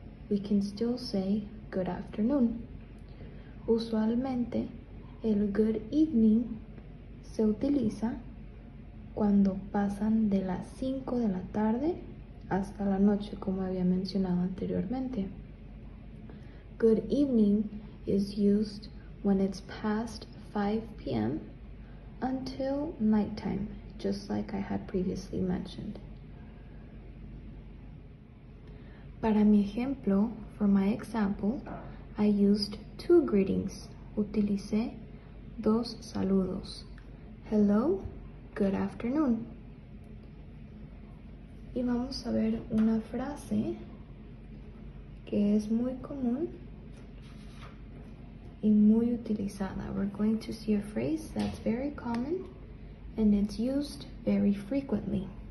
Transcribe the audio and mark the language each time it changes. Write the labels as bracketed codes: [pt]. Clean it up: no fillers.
[en] We can still say good afternoon. [es] Usualmente, el good evening se utiliza cuando pasan de las 5 de la tarde hasta la noche, como había mencionado anteriormente. [en] Good evening is used when it's past 5 p.m. until nighttime, just like I had previously mentioned. [es] Para mi ejemplo, [en] for my example, I used two greetings. [es] Utilicé dos saludos. [en] Hello, good afternoon. [es] Y vamos a ver una frase que es muy común y muy utilizada. [en] We're going to see a phrase that's very common and it's used very frequently.